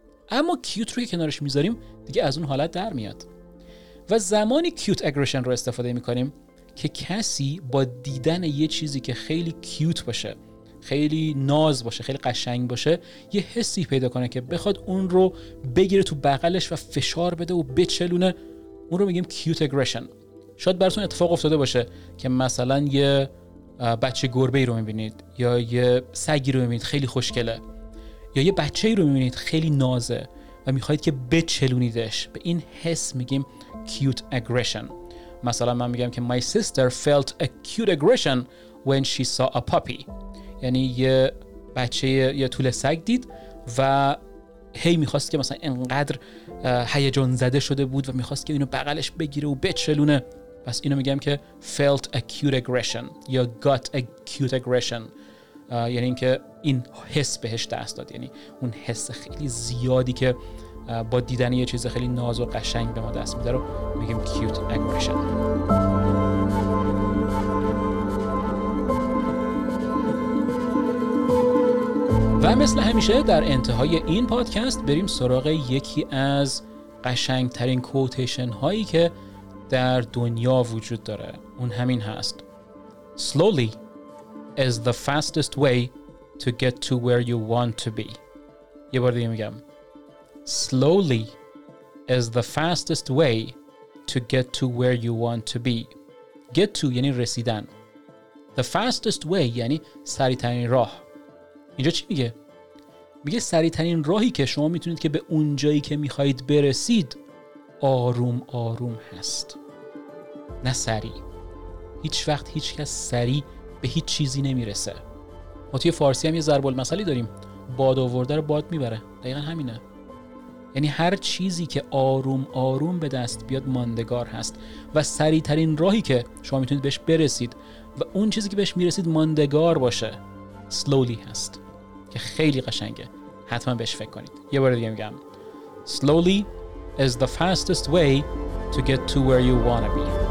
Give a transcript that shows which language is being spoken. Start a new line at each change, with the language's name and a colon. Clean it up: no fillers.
Persian: اما کیوت رو که کنارش میذاریم دیگه از اون حالت در میاد. و زمانی کیوت اگریشن رو استفاده میکنیم که کسی با دیدن یه چیزی که خیلی کیوت باشه، خیلی ناز باشه، خیلی قشنگ باشه، یه حسی پیدا کنه که بخواد اون رو بگیره تو بغلش و فشار بده و بچلونه، اون رو میگیم کیوت اگریشن. شاید براتون اتفاق افتاده باشه که مثلا یه بچه گربه‌ای رو میبینید یا یه سگی رو میبینید خیلی خوشگله، یا یه بچه‌ای رو میبینید خیلی نازه و میخواهید که بچلونیدش. به این حس میگیم کیوت اگریشن. مثلا من میگم که
English: my sister felt acute aggression when she saw a puppy.
Persian: یعنی یه بچه یه توله سگ دید و هی میخواست که مثلا انقدر هیجان زده شده بود و میخواست که اینو بغلش بگیره و بچلونه. پس اینو میگم که
English: felt acute aggression یا got acute aggression.
Persian: یعنی این که این حس بهش دست داد، یعنی اون حس خیلی زیادی که با دیدن یه چیز خیلی ناز و قشنگ به ما دست میده رو میگیم کیوت اگریشن. و مثل همیشه در انتهای این پادکست بریم سراغ یکی از قشنگترین کوتیشن هایی که در دنیا وجود داره. اون همین هست:
English: Slowly is the fastest way to get to where you want to be.
Persian: یه بار دیگه میگم:
English: Slowly is the fastest way to get to where you want to be. Get to
Persian: یعنی رسیدن.
English: The fastest way
Persian: یعنی سریع‌ترین راه. اینجا چی میگه؟ میگه سریع‌ترین راهی که شما میتونید که به اون جایی که میخواهید برسید آروم آروم هست، نه سریع. هیچ وقت هیچ کس سریع به هیچ چیزی نمیرسه. ما توی فارسی هم یه ضرب المثلی داریم: باد آورده رو باد میبره. دقیقا همینه. یعنی هر چیزی که آروم آروم به دست بیاد ماندگار هست و سریع ترین راهی که شما میتونید بهش برسید و اون چیزی که بهش میرسید ماندگار باشه slowly هست، که خیلی قشنگه، حتما بهش فکر کنید. یه بار دیگه میگم:
English: Slowly is the fastest way to get to where you wanna be.